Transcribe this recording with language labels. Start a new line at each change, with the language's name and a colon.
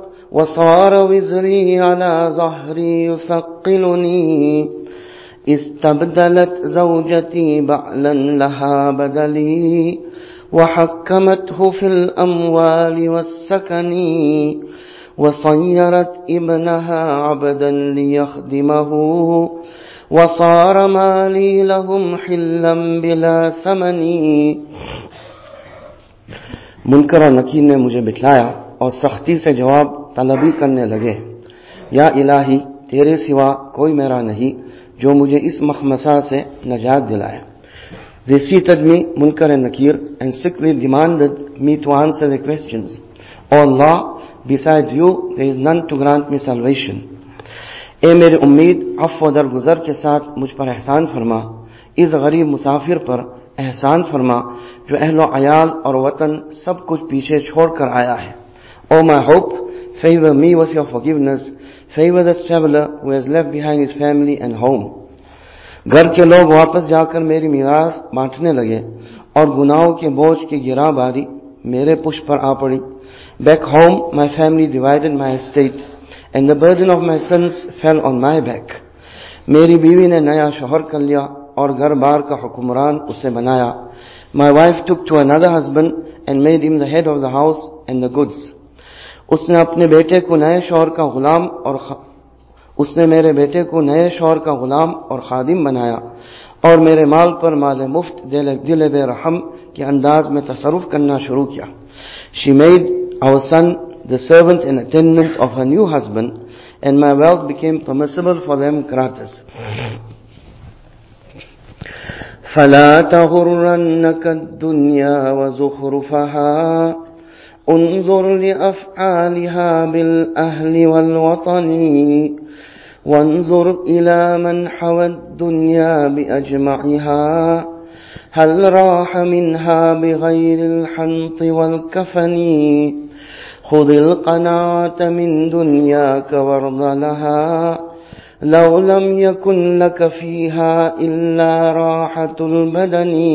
Arabic: وصار وزري على ظهري يثقلني استبدلت زوجتي بعلا لها بدلي وحكمته في الأموال والسكن وصيرت ابنها عبدا ليخدمه وصار مالي لهم حلا بلا ثمن.
Urdu: منكر نكين نے مجھے بتلایا اور سختی سے جواب طلبی کرنے لگے, یا الہی تیرے سوا کوئی میرا نہیں جو مجھے اس مخمصہ سے نجات دلائے.
English: They seated me, Munkar and Nakir, and sickly demanded me to answer their questions. O Allah, besides you, there is none to grant me salvation.
Urdu: اے میرے امید, عفو درگزر کے ساتھ مجھ پر احسان فرما, اس غریب مسافر پر احسان فرما جو اہل و عیال اور وطن سب کچھ پیچھے چھوڑ کر آیا ہے.
English: O my hope, favor me with your forgiveness, favor this traveler who has left behind his family and home.
Urdu: گھر کے لوگ واپس جا کر میری میراث بانٹنے لگے اور گناہوں کے بوجھ کی گرا باری میرے پشت پر آ پڑی.
English: Back home, my family divided my estate and the burden of my sins fell on my back.
Urdu: میری بیوی نے نیا شوہر کر لیا اور گھر بار کا حکمران اسے بنایا.
English: My wife took to another husband and made him the head of the house and the goods.
Urdu: اس نے اپنے بیٹے کو نئے شوہر کا غلام اور خادم بنایا اور میرے مال پر مال مفت دل بے رحم کے انداز میں تصرف کرنا شروع کیا.
English: She made our son the servant and attendant of her new husband and my wealth became permissible for them gratis.
Arabic: فلا تغرنك الدنيا وزخرفها انظر لأفعالها بالأهل والوطن وانظر إلى من حوى الدنيا بأجمعها هل راح منها بغير الحنط والكفن خذ القناعة من دنياك وارض لها لو لم يكن لك فيها إلا راحة البدن